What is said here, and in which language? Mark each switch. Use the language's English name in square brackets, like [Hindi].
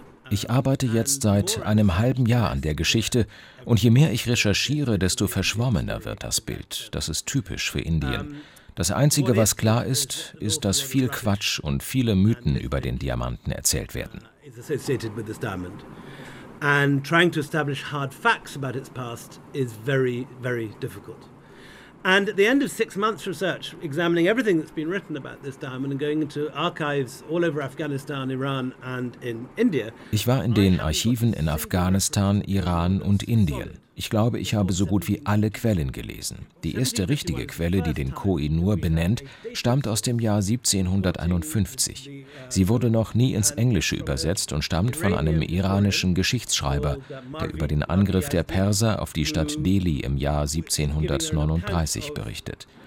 [German] Ich arbeite jetzt seit einem halben Jahr an der Geschichte. Und je mehr ich recherchiere, desto verschwommener wird das Bild. Das ist typisch für Indien. Das Einzige, was klar ist, ist, dass viel Quatsch und viele Mythen über den Diamanten erzählt werden. [English] Is associated with this diamond. And trying to establish hard facts about its past is very, very difficult. And at the end of 6 months research, examining everything that's been written about this diamond and going into archives all over Afghanistan, Iran and in India. [German] Ich war in den Archiven in Afghanistan, Iran und Indien. Ich glaube, ich habe so gut wie alle Quellen gelesen. Die erste richtige Quelle, die den Koh-i-Noor benennt, stammt aus dem Jahr 1751. Sie wurde noch nie ins Englische übersetzt und stammt von einem iranischen Geschichtsschreiber, der über den Angriff der Perser auf die Stadt Delhi im Jahr 1739 berichtet.